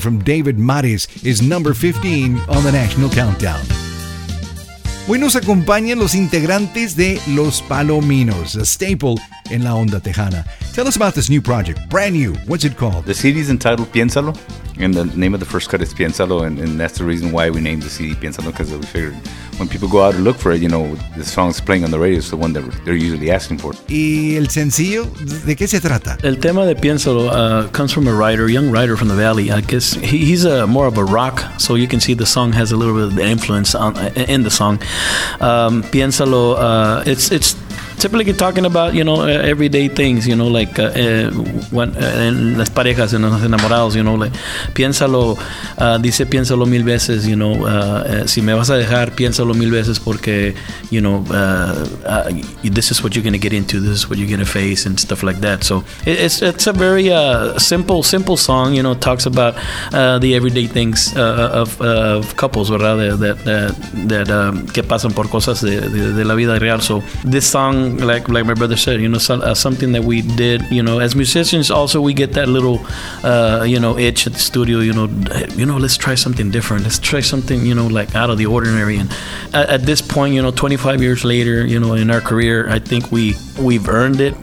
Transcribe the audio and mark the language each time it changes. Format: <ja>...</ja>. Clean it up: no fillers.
<en>From David Mares is number 15 on the National Countdown.</en> <es>Hoy nos acompañan los integrantes de Los Palominos,</es> <en>a staple</en> <es>en la onda tejana.</es> <en>Tell us about this new project, brand new. What's it called? The CD is entitled Piénsalo, and the name of the first cut is Piénsalo, and that's the reason why we named the CD Piénsalo, because we figured when people go out and look for it, you know, the song's playing on the radio, it's the one that they're usually asking for.</en> <es>¿Y el sencillo? ¿De qué se trata? El tema de</es> <en>Piénsalo comes from a writer, young writer from the valley. I guess he's more of a rock, so you can see the song has a little bit of the influence in the song. Piénsalo, it's typically talking about, you know, everyday things, you know, like when</en> <es>las parejas en los enamorados,</es> <en>you know, like,</en> <es>piénsalo, dice piénsalo mil veces,</es> <en>you know,</en> <es>si me vas a dejar, piénsalo mil veces porque,</es> <en>you know, this is what you're going to get into, this is what you're going to face and stuff like that. So it's a very simple song, you know, talks about the everyday things of couples, ¿verdad?</en> <es>That que pasan por cosas de la vida real.</es> <en>So this song, like my brother said, you know, something that we did, you know, as musicians also, we get that little you know, itch at the studio, you know, let's try something different, let's try something, you know, like out of the ordinary. And at this point, you know, 25 years later, you know, in our career, I think we've earned it.</en>